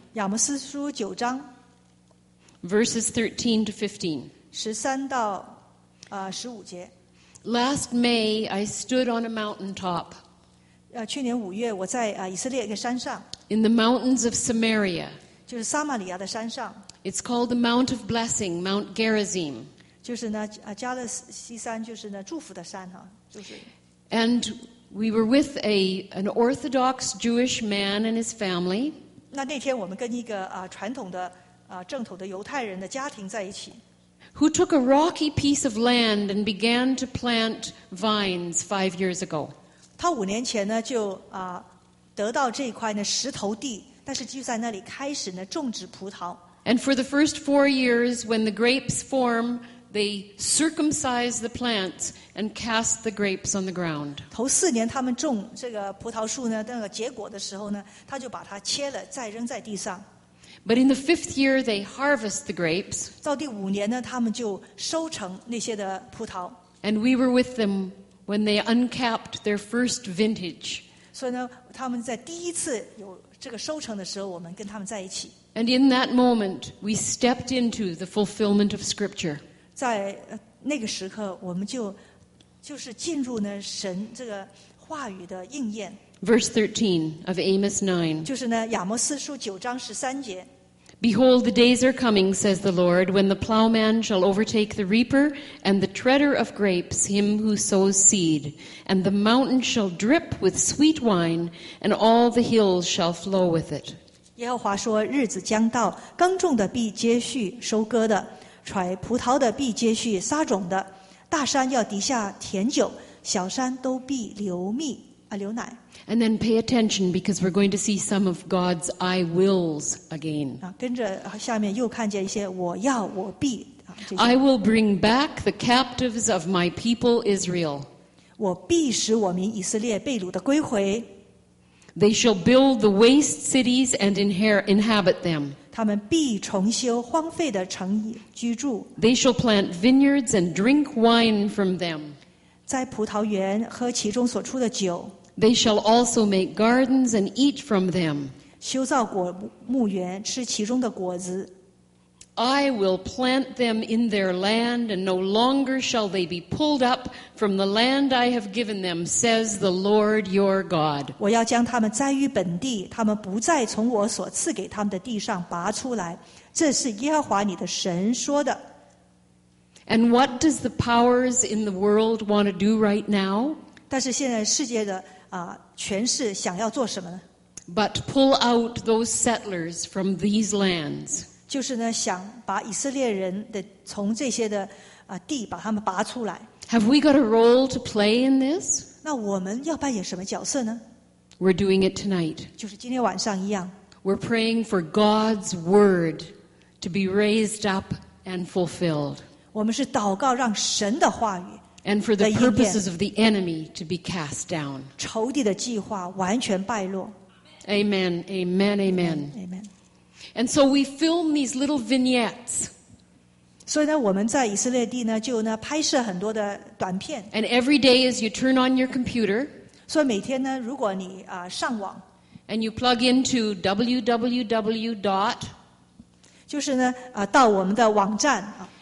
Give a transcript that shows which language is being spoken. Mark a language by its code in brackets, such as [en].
[zh] 亚摩斯书九章 [en] verses 13 to 15, [zh] 十三到啊十五节。 [en] Last May, I stood on a mountaintop. [zh] 啊，去年五月，我在啊以色列一个山上。 [en] In the mountains of Samaria, [zh] 就是撒玛利亚的山上。 [en] It's called the Mount of Blessing, Mount Gerizim. [zh] 就是呢，啊，加勒西山就是呢祝福的山哈，就是。 [en] And we were with an Orthodox Jewish man and his family. [zh] 那天我们跟一个啊传统的啊正统的犹太人的家庭在一起。 [en] Who took a rocky piece of land and began to plant vines 5 years ago? [zh] 他五年前呢就啊得到这块呢石头地，但是就在那里开始呢种植葡萄。 [en] And for the first 4 years, when the grapes form,They circumcise the plants and cast the grapes on the ground. [zh] 头四年他们种这个葡萄树呢，那个结果的时候呢，他就把它切了，再扔在地上。 [en] But in the fifth year, they harvest the grapes. [zh] 到第五年呢，他们就收成那些的葡萄。 [en] And we were with them when they uncapped their first vintage. [zh] 所以呢，他们在第一次有这个收成的时候，我们跟他们在一起。 [en] And in that moment, we stepped into the fulfillment of Scripture. [zh] 在那个时刻，我们就是进入呢神这个话语的应验。 [en] Verse 13 of Amos 9. [zh] 就是呢亚摩斯书九章十三节。 [en] Behold, the days are coming, says the Lord, when the plowman shall overtake the reaper and the treader of grapes, him who sows seed, and the mountain shall drip with sweet wine, and all the hills shall flow with it. [zh] 耶和华说，日子将到，耕种的必接续收割的。揣葡萄的必接续撒种的，大山要滴下甜酒，小山都必流奶。 [en] And then pay attention because we're going to see some of God's I wills again. [zh] 跟着下面又看见一些我要我必。 [en] I will bring back the captives of my people Israel. [zh] 我必使我民以色列被掳的归回。 [en] They shall build the waste cities and inhabit them. [zh] 他们必重修荒废的城居住。 [en] They shall plant vineyards and drink wine from them. [zh] 在葡萄园喝其中所出的酒。 [en] They shall also make gardens and eat from them. [zh] 修造果木园吃其中的果子。 [en] I will plant them in their land, and no longer shall they be pulled up from the land I have given them, says the Lord your God. [zh] 我要将他们栽于本地，他们不再从我所赐给他们的地上拔出来。这是耶和华你的神说的。 [en] And what does the powers in the world want to do right now? [zh] 但是现在世界的啊权势想要做什么呢？ [en] But pull out those settlers from these lands. [zh] 就是呢，想把以色列人的从这些的啊地把他们拔出来。 [en] Have we got a role to play in this? [zh] 那我们要扮演什么角色呢 [en] ？We're doing it tonight. [zh] 就是今天晚上一样。 [en] We're praying for God's word to be raised up and fulfilled. [zh] 我们是祷告让神的话语。 [en] And for the purposes of the enemy to be cast down. [zh] 仇敌的计划完全败落。 [en] Amen. Amen. Amen. Amen. And so we film these little vignettes. [zh] 所以呢，我们在以色列地呢，就呢拍摄很多的短片。 [en] And every day, as you turn on your computer, [zh] 所以每天呢，如果你啊上网 [en] ，and you plug into www. [zh] 就是呢啊到我们的网站啊